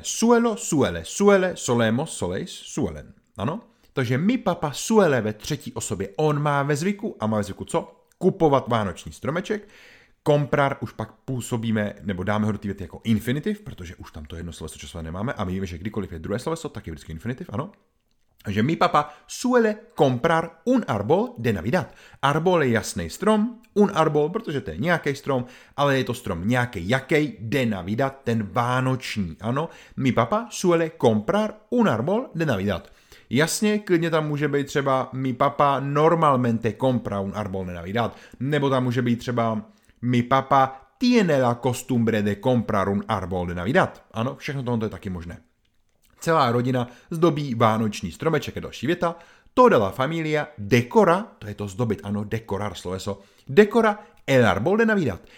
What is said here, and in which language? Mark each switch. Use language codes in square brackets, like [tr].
[es] Suelo, suele, suele, solemos, soleis, suelen. [cs] Ano, takže [es] mi papa suele [cs] ve třetí osobě. On má ve zvyku, a má ve zvyku co? Kupovat vánoční stromeček. Comprar už pak působíme, nebo dáme ho do té věty jako infinitiv, protože už tam to jedno sloveso časové nemáme a my víme, že kdykoliv je druhé sloveso, tak je vždycky infinitiv, ano. [es] Takže mi papa suele comprar un árbol de Navidad. [cs] Árbol je jasný strom, un árbol, protože to je nějaký strom, ale je to strom nějaký, jaký de Navidad, ten vánoční, ano. [es] Mi papa suele comprar un árbol de Navidad. [cs] Jasně, klidně tam může být třeba [es] mi papa normalmente compra un árbol de Navidad, [cs] nebo tam může být třeba [es] mi papa tiene la costumbre de comprar un árbol de Navidad. [cs] Ano, všechno tohle je taky možné. celá rodina zdobí vánoční stromeček a další věta, [es] to de la familia decora, [cs] to je to zdobit, ano, decorar sloveso, [es] decora el árbol de Navidad.